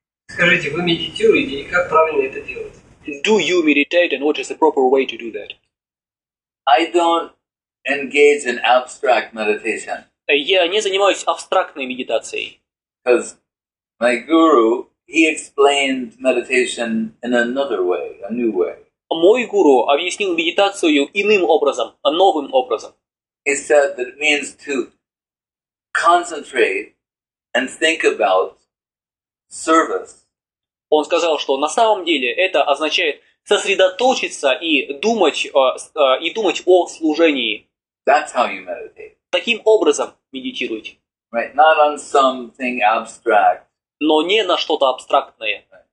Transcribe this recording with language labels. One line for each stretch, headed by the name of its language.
Russian: Скажите, вы медитируете, и как правильно это делать?
English: Do you meditate, and what is the proper way to do that? I don't engage in abstract meditation.
Russian: Я не занимаюсь абстрактной медитацией.
English: Because my guru, he explained meditation in another way, a new way.
Russian: Мой гуру объяснил медитацию иным образом, новым образом.
English: He said that it means to concentrate and think about service.
Russian: Он сказал, что на самом деле это означает сосредоточиться и думать о служении.
English: That's how you meditate.
Russian: Таким образом медитируйте.
English: Right, not on something abstract.
Russian: Но не на что-то абстрактное.